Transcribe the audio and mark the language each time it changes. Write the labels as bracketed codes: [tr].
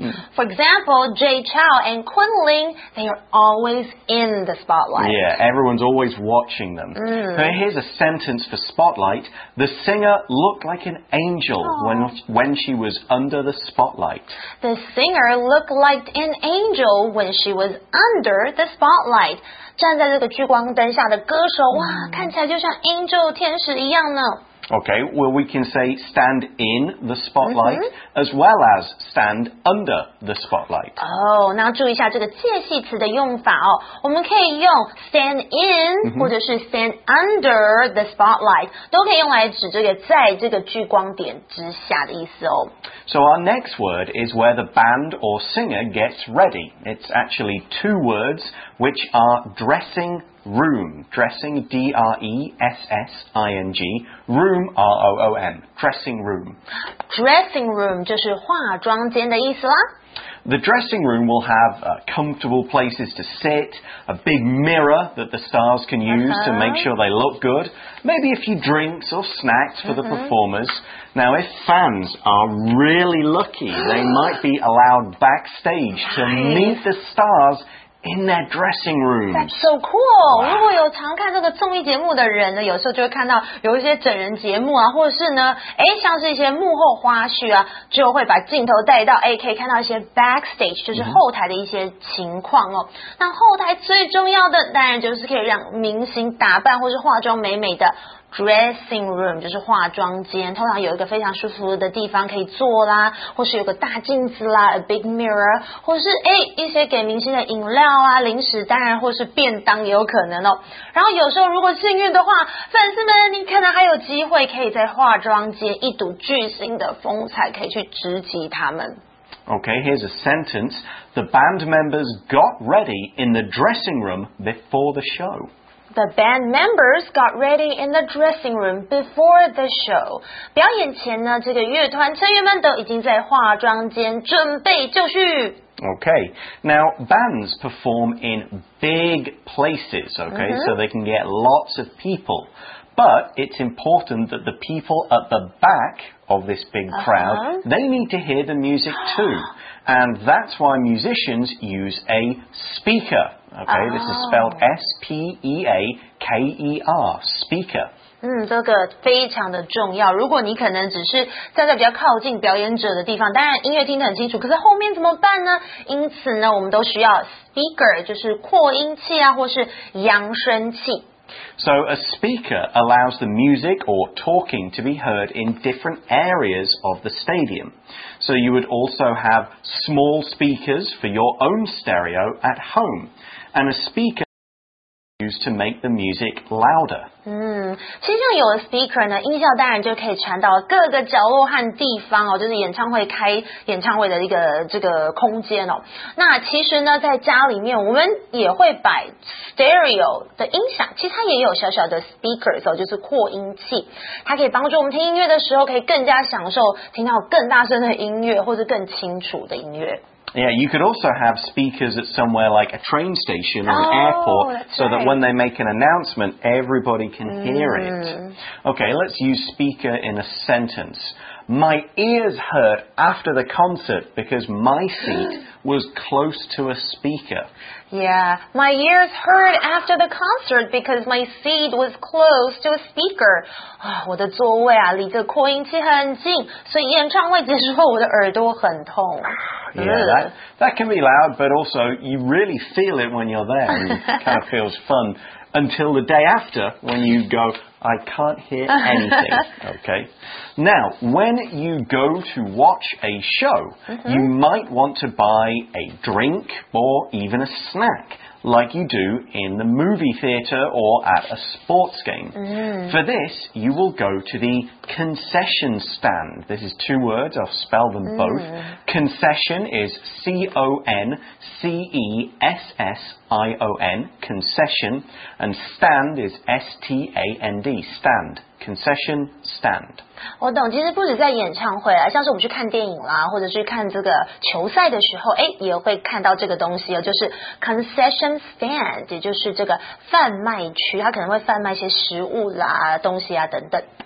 [en] For example, Jay Chou and Kun Ling, they are alwaysin the spotlight. Yeah, everyone's always watching them. Now, here's a sentence for spotlight. The singer looked like an angel when she was under the spotlight. The singer looked like an angel when she was under the spotlight. [zh] 站在这个聚光灯下的歌手，哇，看起来就像 angel 天使一样呢。 [en] Okay, well, we can say stand in the spotlight, as well as stand under the spotlight. [zh] Oh, 那注意一下这个介系词的用法哦。我们可以用 stand in, 或者是 [en] stand under the spotlight, [zh] 都可以用来指这个在这个聚光点之下的意思哦。 [en] So our next word is where the band or singer gets ready. It's actually two words, which are dressing room, dressing, D-R-E-S-S-I-N-G, room, R-O-O-M, dressing room. [zh] Dressing room 就是化妆间的意思啦。 [en] The dressing room will have comfortable places to sit, a big mirror that the stars can use to make sure they look good, maybe a few drinks or snacks for the performers. Now, if fans are really lucky, they might be allowed backstage to meet the stars in their dressing rooms. That's so cool. [zh] 如果有常看这个综艺节目的人呢，有时候就会看到有一些整人节目啊，或者是呢，像是一些幕后花絮啊，就会把镜头带到，可以看到一些 backstage， 就是后台的一些情况哦。那后台最重要的当然就是可以让明星打扮或是化妆美美的。 Dressing room 就是化妆间，通常有一个非常舒服的地方可以坐啦，或是有个大镜子啦 ， [en] a big mirror， [zh] 或是一些给明星的饮料啊、零食，当然或是便当也有可能哦。然后有时候如果幸运的话，粉丝们你可能还有机会可以在化妆间一睹巨星的风采，可以去直击他们。 [en] Okay, here's a sentence: The band members got ready in the dressing room before the show. The band members got ready in the dressing room before the show. [zh] 表演前呢，这个乐团成员们都已经在化妆间准备就绪。 [en] Okay, now bands perform in big places, okay, so they can get lots of people. But it's important that the people at the back of this big crowd, they need to hear the music too. And that's why musicians use a speaker. Okay, this is spelled S-P-E-A-K-E-R, speaker. [zh] 这个非常的重要。如果你可能只是站在比较靠近表演者的地方，当然音乐听得很清楚，可是后面怎么办呢？因此呢，我们都需要 speaker, 就是扩音器啊，或是扬声器。 [en] So a speaker allows the music or talking to be heard in different areas of the stadium. So you would also have small speakers for your own stereo at home. And a speaker is used to make the music louder. [zh] 其实有了 speaker 呢，音效当然就可以传到各个角落和地方哦，就是演唱会开演唱会的一个这个空间哦。那其实呢，在家里面我们也会摆 stereo 的音响，其实它也有小小的 speakers 哦，就是扩音器，它可以帮助我们听音乐的时候可以更加享受听到更大声的音乐或是更清楚的音乐。 [en] Yeah, you could also have speakers at somewhere like a train station or an airport so that when they make an announcement, everybody can hear it. Okay, let's use speaker in a sentence. My ears hurt after the concert because my seat was close to a speaker. Yeah, my ears hurt after the concert because my seat was close to a speaker. [zh] 我的座位啊，离这扩音器很近，所以演唱会结束后我的耳朵很痛。 [en] Yeah, that can be loud, but also you really feel it when you're there. And it kind of feels fun until the day after when you go, I can't hear anything. Okay. Now, when you go to watch a show, mm-hmm. you might want to buy a drink or even a snack, like you do in the movie theater or at a sports game. Mm-hmm. For this, you will go to the concession stand. This is two words. I'll spell them mm-hmm. both. Concession is C-O-N-C-E-S-S-I-O-N, concession. And stand is S-T-A-N-D, stand. Concession stand. [zh] 我懂，其实不止在演唱会啊，像是我们去看电影啦，或者是看这个球赛的时候，哎，也会看到这个东西，就是 concession stand， 也就是这个贩卖区，它可能会贩卖一些食物啦、东西啊等等。